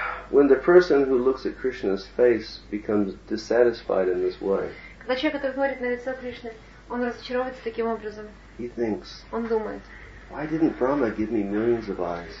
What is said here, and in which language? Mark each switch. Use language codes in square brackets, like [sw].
[en] When the person who looks at Krishna's face becomes dissatisfied in this way. [ru] Когда человек, который смотрит на лицо Кришны, он разочаровывается таким образом. [en] He thinks, [ru] он думает. [en] Why didn't Brahma give me millions of eyes?